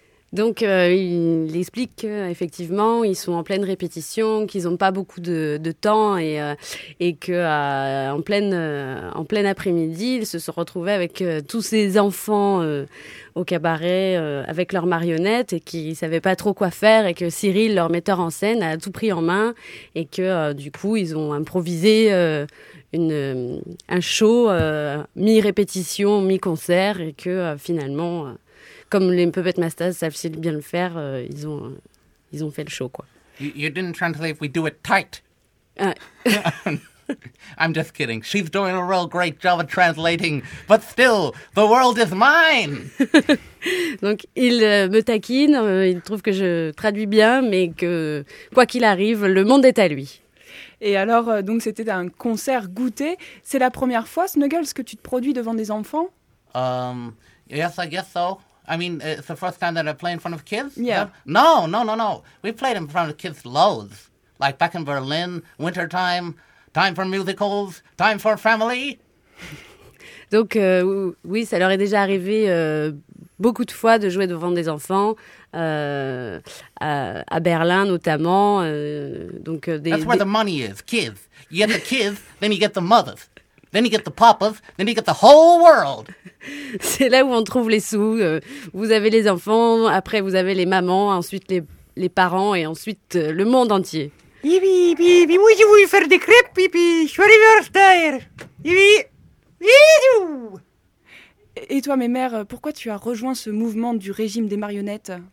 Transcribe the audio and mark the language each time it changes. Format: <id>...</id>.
<fr>Donc, il explique qu'effectivement, ils sont en pleine répétition, qu'ils n'ont pas beaucoup de temps et que en pleine après-midi, ils se sont retrouvés avec tous ces enfants au cabaret avec leurs marionnettes et qu'ils ne savaient pas trop quoi faire et que Cyril, leur metteur en scène, a tout pris en main et que du coup, ils ont improvisé un show mi-répétition, mi-concert et que finalement... Comme les Puppet Mastaz savent si bien le faire, ils ont fait le show, quoi.</fr> <en>You didn't translate, we do it tight. I'm just kidding. She's doing a real great job of translating, but still, the world is mine.</en> <fr>Donc, il me taquine, il trouve que je traduis bien, mais que, quoi qu'il arrive, le monde est à lui. Et alors, donc, c'était un concert goûté. C'est la première fois, Snuggles, que tu te produis devant des enfants?</fr> <en>Yes, I guess so. I mean, it's the first time that I play in front of kids? Yeah. No. We played in front of kids loads. Like back in Berlin, wintertime, time for musicals, time for family.</en> <fr>Donc, oui, ça leur est déjà arrivé beaucoup de fois de jouer devant des enfants, à Berlin notamment.</fr> <en>That's where the money is, kids. You get the kids, then you get the mothers. Then you get the papas, then you get the whole world.</en> <fr>C'est là où on trouve les sous. Vous avez les enfants, après vous avez les mamans, ensuite les parents et ensuite le monde entier. Yipi, yipi, yipi, moi je voulais faire des crêpes, yipi, je suis arrivé en retard. Yipi, yipi. Et toi, Mémère, pourquoi tu as rejoint ce mouvement du régime des marionnettes?</fr>